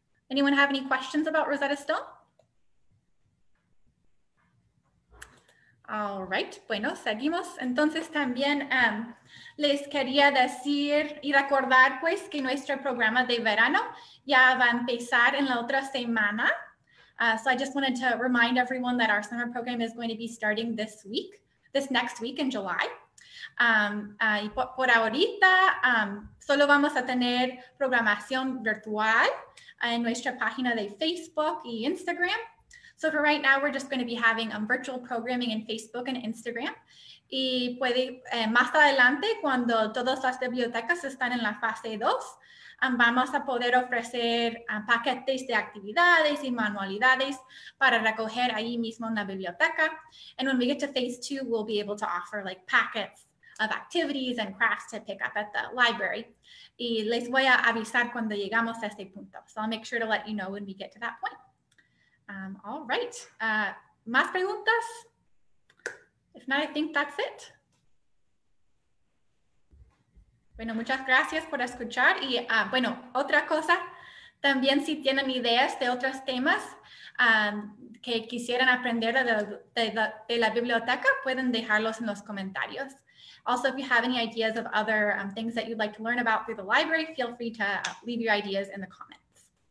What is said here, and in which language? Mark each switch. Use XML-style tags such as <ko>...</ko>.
<en>Anyone have any questions about Rosetta Stone?</en> <es>All right, bueno, seguimos. Entonces también les quería decir y recordar pues que nuestro programa de verano ya va a empezar en la otra semana.</es> <en>So I just wanted to remind everyone that our summer program is going to be starting this next week in July.</en> <es>Y por ahorita solo vamos a tener programación virtual en nuestra página de Facebook y Instagram.</es> <en>So for right now, we're just going to be having virtual programming in Facebook and Instagram.</en> <es>Y puede, más adelante, cuando todas las bibliotecas están en la fase 2, vamos a poder ofrecer paquetes de actividades y manualidades para recoger ahí mismo en la biblioteca.</es> <en>And when we get to phase 2, we'll be able to offer like packets of activities and crafts to pick up at the library.</en> <es>Y les voy a avisar cuando llegamos a ese punto.</es> <en>So I'll make sure to let you know when we get to that point. All right.</en> <es>¿Más preguntas?</es> <en>If not, I think that's it.</en> <es>Bueno, muchas gracias por escuchar. Y bueno, otra cosa, también si tienen ideas de otros temas que quisieran aprender de la biblioteca, pueden dejarlos en los comentarios.</es> <en>Also, if you have any ideas of other things that you'd like to learn about through the library, feel free to leave your ideas in the comments.</en>